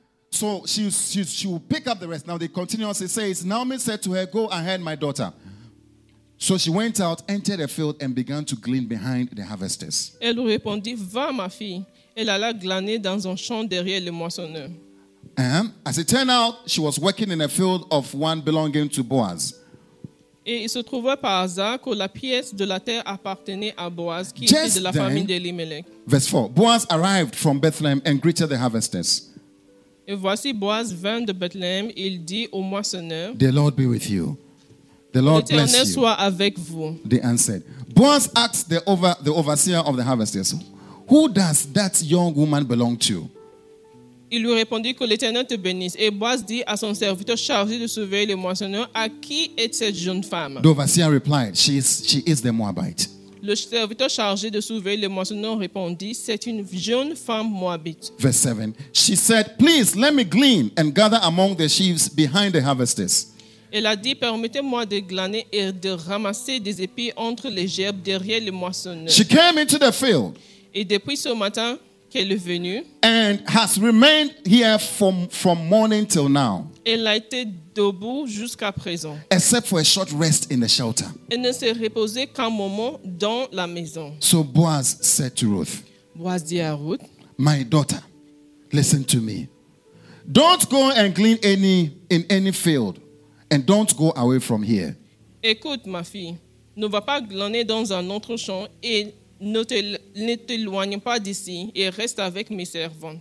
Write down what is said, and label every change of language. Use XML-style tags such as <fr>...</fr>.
<en>So she will pick up the rest. Now they continue on. She says, Naomi said to her, go ahead, my daughter. So she went out, entered a field, and began to glean behind the harvesters.</en> <fr>Elle répondit, va, ma fille. Elle alla glaner dans un champ derrière le moissonneur.</fr> <en>As it turned out, she was working in a field of one belonging to Boaz.</en> <fr>Et il se trouva par hasard que la pièce de la terre appartenait à Boaz, qui était de la famille d'Elimelech.</fr> <en>Verse 4. Boaz arrived from Bethlehem and greeted the harvesters.</en> <fr>Et voici Boaz vint de Bethlehem. Il dit au moissonneur,</fr> <en>the Lord be with you. The Lord bless you.</en> <fr>L'Éternel soit avec vous.</fr> <en>They answered. Boaz asked the overseer of the harvesters, who does that young woman belong to?</en> <fr>Il lui répondit que l'Éternel te bénisse. Et Boaz dit à son serviteur chargé de surveiller les moissonneurs, à qui est cette jeune femme?</fr> <en>The overseer replied, she is the Moabite.</en> <fr>Le serviteur chargé de surveiller les moissonneurs répondit, c'est une jeune femme Moabite.</fr> <en>Verse 7. She said, please let me glean and gather among the sheaves behind the harvesters.</en> <fr>Elle a dit, permettez-moi de glaner et de ramasser des épis entre les gerbes derrière les moissonneurs.</fr> <en>She came into the field.</en> <fr>Et depuis ce matin qu'elle est venue,</fr> <en>and has remained here from morning till now.</en> <fr>Elle a été debout jusqu'à présent.</fr> <en>Except for a short rest in the shelter.</en> <fr>Elle ne s'est reposée qu'un moment dans la maison.</fr> <en>So Boaz said to Ruth.</en> <fr>Boaz dit à Ruth,</fr> <en>my daughter, listen to me. Don't go and glean in any field. And don't go away from here.</en> <fr>Écoute, ma fille, ne va pas glaner dans un autre champ et ne t'éloigne pas d'ici et reste avec mes servantes.</fr>